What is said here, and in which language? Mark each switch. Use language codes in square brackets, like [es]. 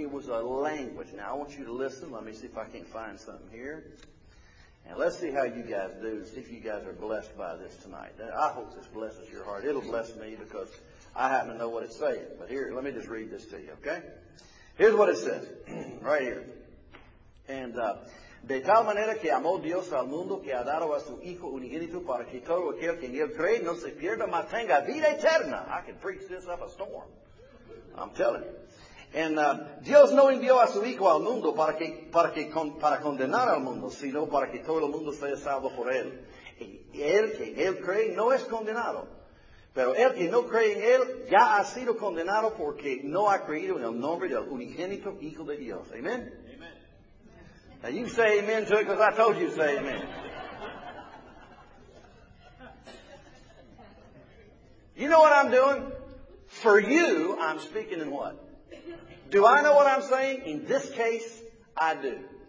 [en] It was a language. Now, I want you to listen. Let me see if I can't find something here. And let's see how you guys do. See if you guys are blessed by this tonight. I hope this blesses your heart. It'll bless me because I happen to know what it's saying. But here, let me just read this to you, okay? Here's what it says right here. [es] And de tal manera que amó Dios al mundo que ha dado a su Hijo unigénito para que todo aquel que en él cree no se pierda, mas tenga vida eterna. [en] I can preach this up a storm. I'm telling you. [es] And Dios no envió a su Hijo al mundo para condenar al mundo, sino para que todo el mundo sea salvo por él. Y el que en él cree no es condenado. Pero el que no cree en él ya ha sido condenado porque no ha creído en el nombre del unigénito Hijo de Dios. [en] Amen. Now you say amen to it because I told you to say amen. You know what I'm doing? For you, I'm speaking in what? Do I know what I'm saying? In this case, I do.